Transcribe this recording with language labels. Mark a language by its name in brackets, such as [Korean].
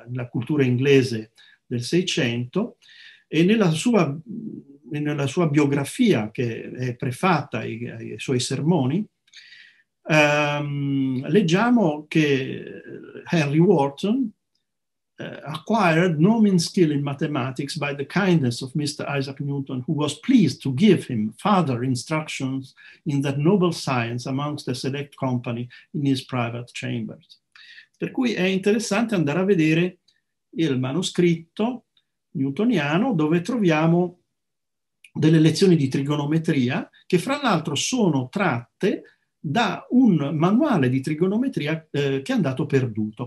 [Italian] cultura inglese del Seicento, e nella sua biografia, che è prefatta ai suoi sermoni, leggiamo che [English] Henry Wharton acquired no mean skill in mathematics by the kindness of Mr. Isaac Newton, who was pleased to give him further instructions in that noble science amongst a select company in his private chambers. [Italian] Per cui è interessante andare a vedere il manoscritto newtoniano dove troviamo delle lezioni di trigonometria che fra l'altro sono tratte da un manuale di trigonometria che è andato perduto.